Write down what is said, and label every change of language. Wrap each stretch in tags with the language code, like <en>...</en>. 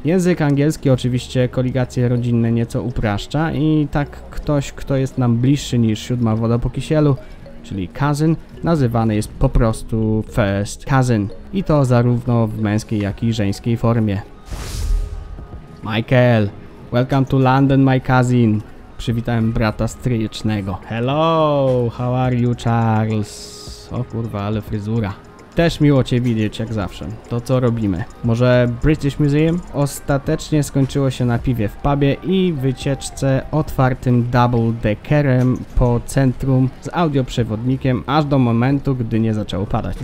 <pl>Język angielski oczywiście koligacje rodzinne nieco upraszcza i tak ktoś, kto jest nam bliższy niż siódma woda po kisielu, czyli cousin, nazywany jest po prostu first cousin. I to zarówno w męskiej, jak i żeńskiej formie.</pl> <en>Michael, welcome to London, my cousin.</en> <pl>Przywitałem brata stryjecznego.</pl> <en>Hello, how are you, Charles?</en> <pl>O kurwa, ale fryzura. Też miło cię widzieć, jak zawsze. To co robimy? Może British Museum? Ostatecznie skończyło się na piwie w pubie i wycieczce otwartym double deckerem po centrum z audioprzewodnikiem aż do momentu, gdy nie zaczęło padać.</pl>